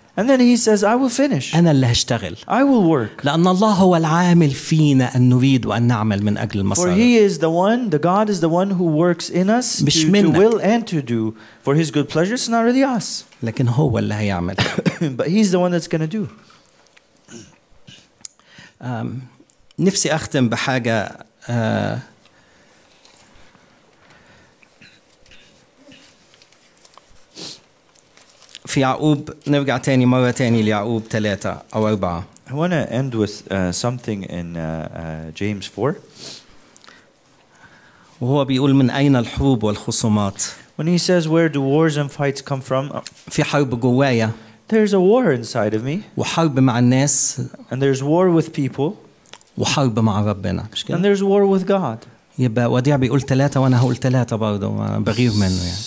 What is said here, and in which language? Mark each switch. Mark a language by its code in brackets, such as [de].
[en] And then he says, "I will finish." [ar] أنا اللي هشتغل. [en] I will work. [ar] لأن الله هو العامل فينا أن نريد وأن نعمل من أجل المصالح. [en] For he is the one, the God is the one who works in us to will and to do for his good pleasure. It's not really us. [ar] لكن هو اللي هيعمل. [en] But he's the one that's going to do. [ar] نفسي أختم بحاجة. في يعقوب نرجع تاني مرة تاني ليعقوب ثلاثة أو أربعة. [en] I want to end with something in James 4. [ar] وهو بيقول من أين الحروب والخصومات. [en] When he says where do wars and fights come from. [ar] في حرب جوايا. [en] There's a war inside of me. [ar] وحرب مع الناس. [en] And there's war with people. [ar] وحرب مع ربنا. [en] And there's war with God. [ar] يبقى وديع بيقول ثلاثة وأنا هقول ثلاثة برضو بغير منه يعني.